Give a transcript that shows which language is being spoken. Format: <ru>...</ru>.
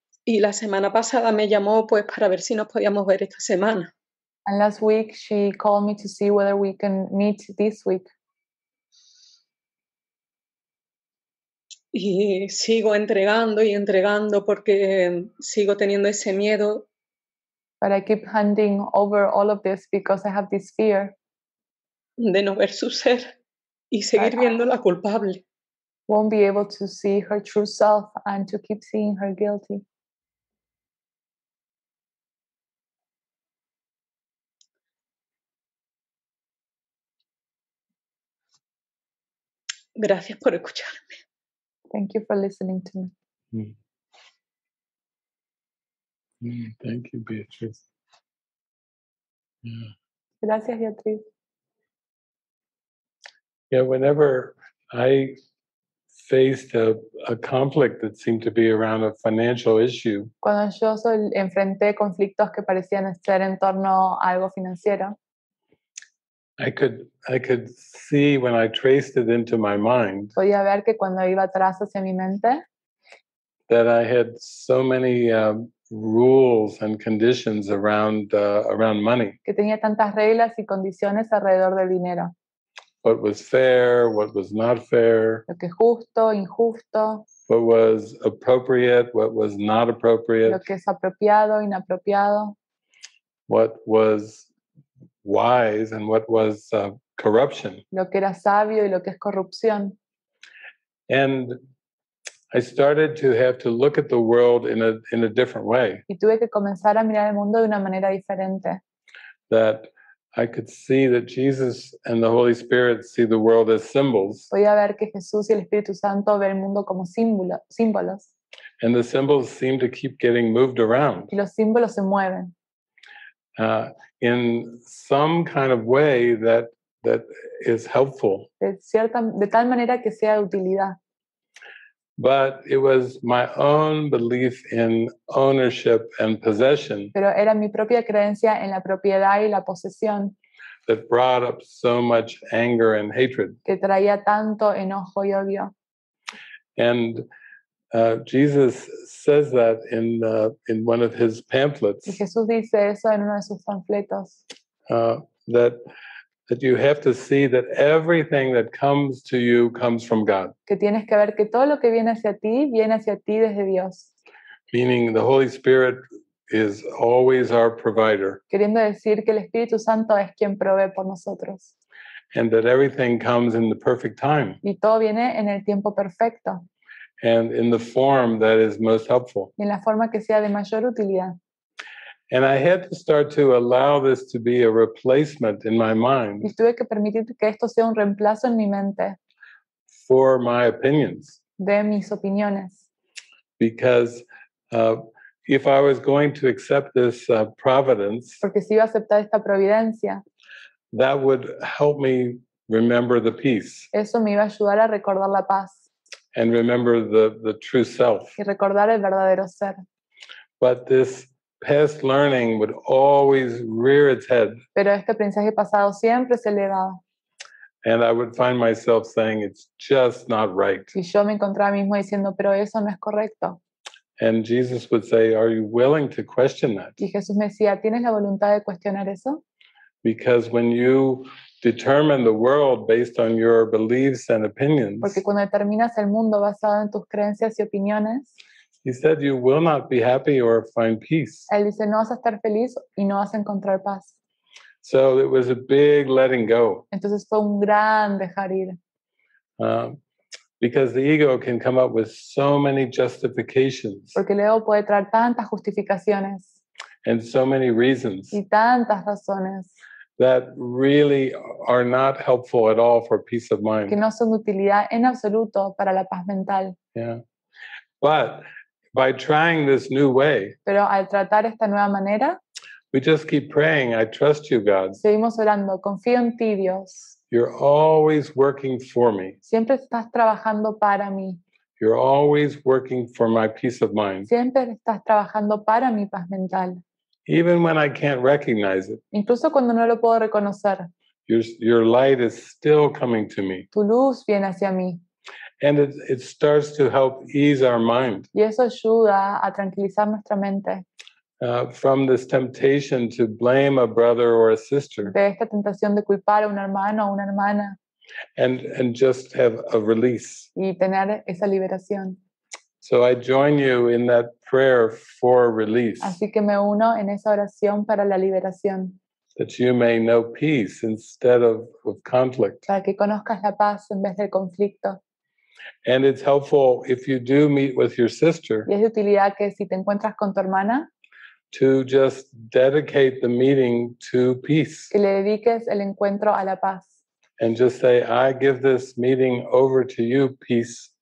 <es>Y la semana pasada me llamó pues para ver si nos podíamos ver esta semana.</es> <en>And last week she called me to see whether we can meet this week.</en> <es>Y sigo entregando y entregando porque sigo teniendo ese miedo.</es> <en>But I keep handing over all of this because I have this fear.</en> <es>De no ver su ser y seguir viéndola culpable.</es> <en>Won't be able to see her true self and to keep seeing her guilty.</en> <es>Gracias por escucharme.</es> <en>Thank you for listening to me. Mm. Thank you, Beatriz. Yeah.</en> <es>Gracias, Beatriz.</es> <en>Yeah, whenever I faced a conflict that seemed to be around a financial issue,</en> <es>cuando yo enfrenté conflictos que parecían ser en torno a algo financiero,</es> <en>I could see when I traced it into my mind,</en> <es>podía ver que cuando iba atrás hacia mi mente,</es> <en>that I had so many rules and conditions around money,</en> <es>que tenía tantas reglas y condiciones alrededor del dinero.</es> <en>What was fair, what was not fair,</en> <es>lo que justo, injusto,</es> <en>what was appropriate, what was not appropriate,</en> <es>lo que es apropiado, inapropiado,</es> <en>what was wise and what was corruption,</en> <es>lo que era sabio y lo que es corrupción.</es> <en>And I started to have to look at the world in a different way.</en> <es>Y tuve que comenzar a mirar el mundo de una manera diferente.</es> <en>That I could see that Jesus and the Holy Spirit see the world as symbols.</en> <es>Podía ver que Jesús y el Espíritu Santo ven el mundo como símbolos.</es> <en>And the symbols seem to keep getting moved around.</en> <es>Y los símbolos se mueven.</es> <en>In some kind of way that is helpful.</en> <es>De tal manera que sea de utilidad.</es> <en>But it was my own belief in ownership and possession.</en> <es>Pero era mi propia creencia en la propiedad y la posesión.</es> <en>That brought up so much anger and hatred.</en> <es>Que traía tanto enojo y odio.</es> <en>And Jesus says that in one of his pamphlets.</en> <es>Y Jesús dice eso en uno de sus panfletos.</es> <en>That you have to see that everything that comes to you comes from God.</en> <es>Que tienes que ver que todo lo que viene hacia ti desde Dios.</es> <en>Meaning the Holy Spirit is always our provider.</en> <es>Queriendo decir que el Espíritu Santo es quien provee por nosotros.</es> <en>And that everything comes in the perfect time.</en> <es>Y todo viene en el tiempo perfecto.</es> <en>And in the form that is most helpful.</en> <es>Y en la forma que sea de mayor utilidad.</es> <en>And I had to start to allow this to be a replacement in my mind.</en> <es>Y tuve que permitir que esto sea un reemplazo en mi mente.</es> <en>For my opinions.</en> <es>De mis opiniones.</es> <en>Because if I was going to accept this providence.</en> <es>Porque si iba a aceptar esta providencia.</es> <en>That would help me remember the peace.</en> <es>Eso me iba a ayudar a recordar la paz.</es> <en>And remember the true self.</en> <es>Y recordar el verdadero ser.</es> <en>But this past learning would always rear its head.</en> <es>Pero este aprendizaje pasado siempre se elevaba.</es> <en>And I would find myself saying, "It's just not right."</en> <es>Y yo me encontraba mismo diciendo, "Pero eso no es correcto."</es> <en>And Jesus would say, "Are you willing to question that?"</en> <es>Y Jesús me decía, "¿Tienes la voluntad de cuestionar eso?"</es> <en>Because when you determine the world based on your beliefs and opinions.</en> <es>Porque cuando determinas el mundo basado en tus creencias y opiniones.</es> <en>He said, "You will not be happy or find peace."</en> <es>Él dice, no vas a estar feliz y no vas a encontrar paz.</es> <en>So it was a big letting go.</en> <es>Entonces fue un gran dejar ir.</es> <en>Because the ego can come up with so many justifications.</en> <es>Porque el ego puede traer tantas justificaciones.</es> <en>And so many reasons.</en> <es>Y tantas razones.</es> <en>That really are not helpful at all for peace of mind.</en> <es>Que no son de utilidad en absoluto para la paz mental.</es> <en>Yeah, but by trying this new way,</en> <es>pero al tratar esta nueva manera,</es> <en>we just keep praying, "I trust you, God."</en> <es>Seguimos orando, confío en ti, Dios.</es> <en>You're always working for me.</en> <es>Siempre estás trabajando para mí.</es> <en>You're always working for my peace of mind.</en> <es>Siempre estás trabajando para mi paz mental.</es> <en>Even when I can't recognize it.</en> <es>Incluso cuando no lo puedo reconocer.</es> <en>Your light is still coming to me.</en> <es>Tu luz viene hacia mí.</es> <en>And it starts to help ease our mind.</en> <es>Y eso ayuda a tranquilizar nuestra mente.</es> <en>From this temptation to blame a brother or a sister.</en> <es>De esta tentación de culpar a un hermano o una hermana.</es> <en>And just have a release.</en> <es>Y tener esa liberación.</es> <en>So I join you in that prayer for release.</en> <es>Así que me uno en esa oración para la liberación.</es> <en>That you may know peace instead of conflict.</en> <es>Para que conozcas la paz en vez del conflicto.</es> <en>And it's helpful if you do meet with your sister.</en> <es>Y es de utilidad que si te encuentras con tu hermana.</es> <en>To just dedicate the meeting to peace.</en> <es>Que le dediques el encuentro a la paz.</es> <en>And just say, I give this meeting over to you, peace.</en>